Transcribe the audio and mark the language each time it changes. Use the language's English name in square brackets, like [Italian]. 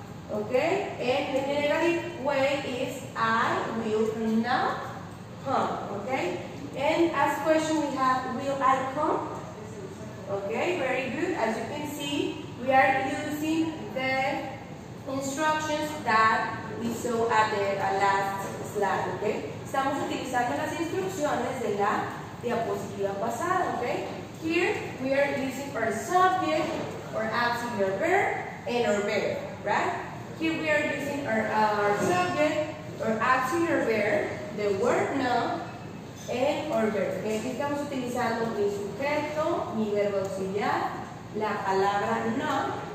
[English] Okay, and the negative way is I will not come. Okay, and as question we have will I come? Okay, very good. As you can see, we are using the instructions that we saw at the last slide. [Spanish] Okay, estamos utilizando las instrucciones de la diapositiva pasada. [English] Okay, here we are using our subject, our auxiliary verb, and our verb. Right. Here we are using our subject, our auxiliary verb, the word now, and our verb. [Spanish] Okay, aquí estamos utilizando mi sujeto, mi verbo auxiliar, la palabra now,